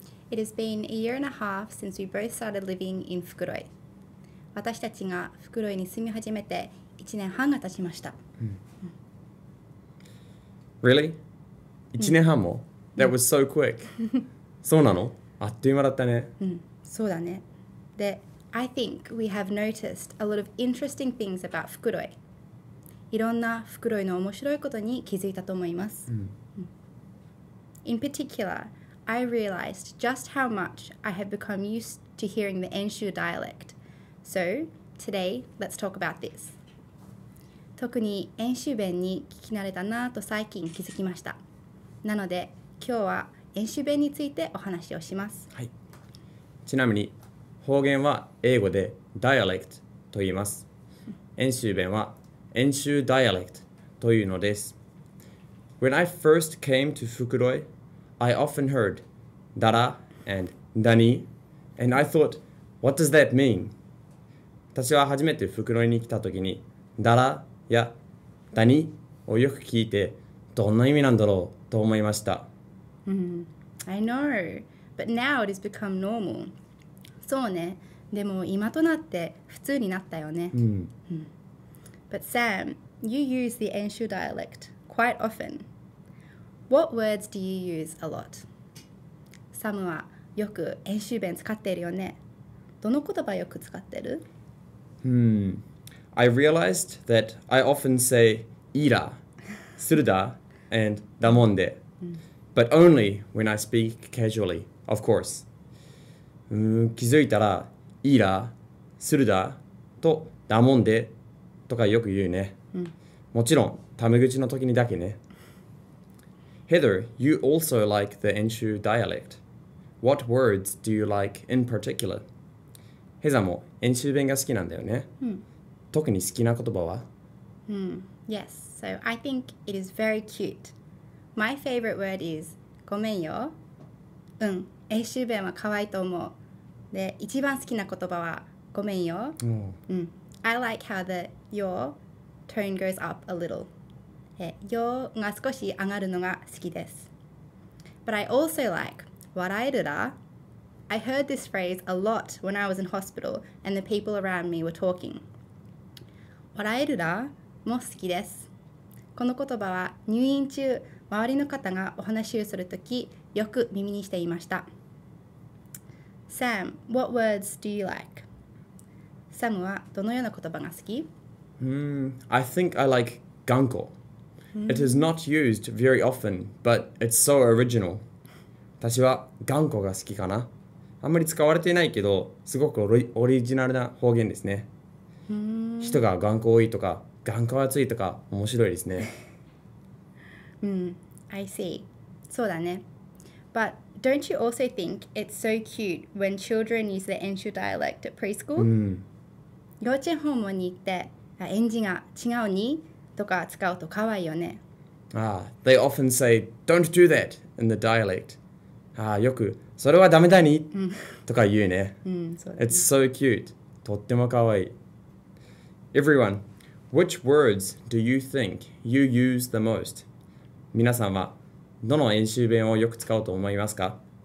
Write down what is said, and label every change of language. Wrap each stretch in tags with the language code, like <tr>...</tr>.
<en>It has been a year and a half since we both started living in 袋井。</en> <ja>私たちが袋井に住み始めて1年半が経ちました。</ja> <en>Really?</en> <ja>1年半も?</ja> <en>That was so quick.</en> <ja>そうなの? あっという間だったね。そうだね。</ja> <en>で、I think we have noticed a lot of interesting things about 袋井。</en> <ja>いろんな袋井の面白いことに気づいたと思います。</ja> <en>In particular, I realized just how much I have become used to hearing the 遠州 dialect. So, today, let's talk about this.</en> <ja>特に遠州弁に聞き慣れたなと最近気づきました。なので、今日は遠州弁についてお話をします。はい。ちなみに、方言は英語で dialect と言います。遠州弁は遠州 dialect というのです。</ja> <en>When I first came to 袋井, I often heard だらand だに and I thought, what does that mean?</en> <ja>私は初めて袋井に来た時にだらやだにをよく聞いてどんな意味なんだろうと思いました。</ja> <en>I know, but now it has become normal.</en> <ja>そうね、でも今となって普通になったよね。</ja> <en>But Sam, you use the 遠州 dialect quite often. What words do you use a lot?</en> <ja>サムはよく遠州弁使ってるよね。どの言葉よく使ってる?</ja> <en>I realized that I often say いら、するだ、and だもんで。 But only when I speak casually, of course.</en> <ja>気づいたらいら、するだ、とだもんで。とかよく言うね。もちろん、タメ口の時にだけね。</ja> <en>Heather, you also like the 遠州 dialect. What words do you like in particular?</en> <ja>ヘザも遠州弁が好きなんだよね。特に好きな言葉は?</ja> <en>Yes, so I think it is very cute. My favorite word is ごめんよ。</en> <ja>うん、遠州弁は可愛いと思う。で、一番好きな言葉はごめんよ。</ja> <en>I like how the your tone goes up a little.</en> <ja>Your が少し上がるのが好きです。</ja> <en>But I also like</en> <ja>笑えるだ。</ja> <en>I heard this phrase a lot when I was in hospital and the people around me were talking.</en> <ja>笑えるだも好きです。この言葉は入院中、周りの方がお話をするとき、よく耳にしていました。</ja> <en>Sam, what words do you like?</en> <ja>サムはどのような言葉が好き?</ja> <en>I think I like 頑固. It is not used very often, but it's so original.</en> <ja>私は頑固が好きかな。あんまり使われていないけど、すごくオリジナルな方言ですね。人が頑固多いとか、頑固厚いとか面白いですね。</ja> <en>I see.</en> <ja>そうだね。</ja> <en>But don't you also think it's so cute when children use the 遠州 dialect at preschool?</en> <ja>幼稚園訪問に行って、園児が違うにとか使うと可愛いよね。</ja> <en>Ah, they often say, don't do that in the dialect.</en> <ja>Ah, よく、それはダメだにとか言うね。</ja> <en>It's so cute.</en> <ja>とっても可愛い。</ja> <en>Everyone, which words do you think you use the most?</en> <ja>皆さんは、どの遠州弁をよく使うと思いますか?</ja>